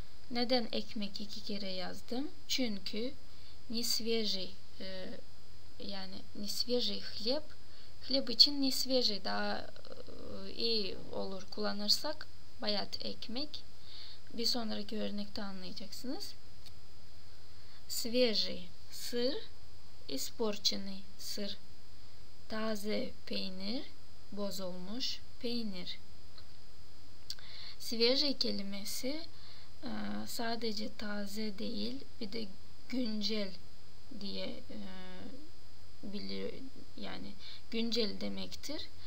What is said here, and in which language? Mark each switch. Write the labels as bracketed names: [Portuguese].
[Turkish] Neden ekmek iki kere yazdım? Çünkü [Russian] не свежий, [Turkish] yani [Russian] не свежий хлеб, хлеб [Turkish] için [Russian] не свежий, [Turkish] daha iyi olur kullanırsak bayat ekmek. Bir sonraki örnekte anlayacaksınız. [Russian] Свежий сыр, испорченный сыр. [Turkish] Taze peynir, bozulmuş peynir. Свежий kelimesi sadece taze değil, bir de güncel diye biliyor, yani güncel demektir.